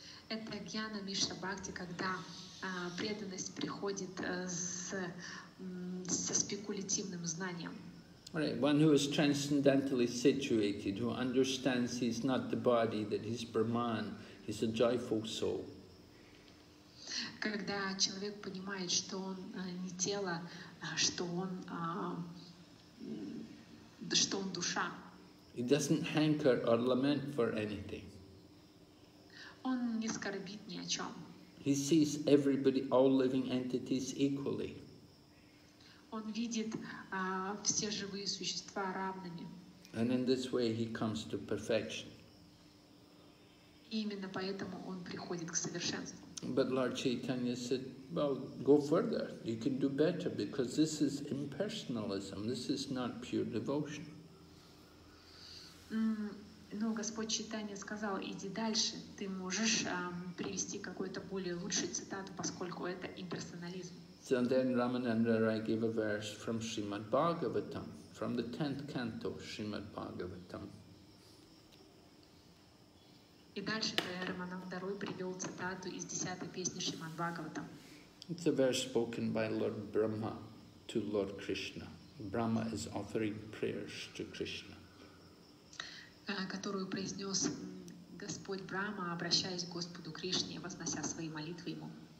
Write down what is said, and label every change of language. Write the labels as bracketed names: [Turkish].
[Russian] Это Jnana Mishra Bhakti, когда преданность приходит со спекулятивным знанием. [English] Right, one who is transcendentally situated, who understands he's not the body, that he's Brahman, he's a joyful soul. [Russian] Когда человек понимает, что он не тело, что он душа. [English] He doesn't hanker or lament for anything. [Russian] Он не скорбит ни о чем. [English] He sees everybody, all living entities equally. [Russian] Он видит все живые существа равными. [English] And in this way he comes to perfection. [Russian] И именно поэтому он приходит к совершенству. [English] But Lord Chaitanya said, well, go further. You can do better because this is impersonalism. This is not pure devotion. [Russian] Но Господь Чайтанья сказал, иди дальше. Ты можешь привести какую-то более лучшую цитату, поскольку это имперсонализм. [English] So then Ramananda Rai gave a verse from Srimad Bhagavatam, from the 10th canto, Srimad Bhagavatam. [Russian] И дальше Рамананда Рой привел цитату из 10-й песни Шримад Бхагаватам. [English] It's a verse spoken by Lord Brahma to Lord Krishna. Brahma is offering prayers to Krishna. [Russian] Которую произнес Господь Брахма, обращаясь к Господу Кришне, вознося свои молитвы ему.